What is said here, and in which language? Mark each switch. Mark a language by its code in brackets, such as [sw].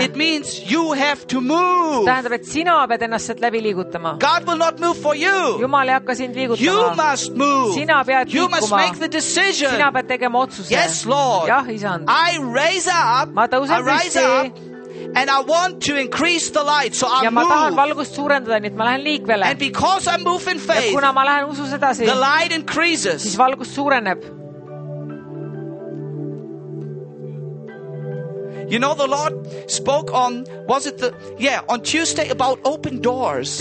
[en] it means you have to move. [et] Tähendab, et sina pead ennast sealt läbi liigutama. [en] God will not move for you. [et] Jumal ei hakka sind liigutama. [en] You must move. [et] Sina pead liikuma. [en] You must make the decision. [et] Sina pead tegema otsuse. [en] Yes, Lord. [et] Jah, isand. [en] I raise up. [et] Ma tõusen püsti. [en] And I want to increase the light, so I [et] ja [en] move. [et] Ja ma tahan valgust suurendada, nii et ma lähen liikvele. [en] And because I move in faith, [et] ja kuna ma lähen usus edasi, [en] the light increases. [et] Siis valgust suureneb. [en] You know, the Lord spoke on, was it the, yeah, on Tuesday about open doors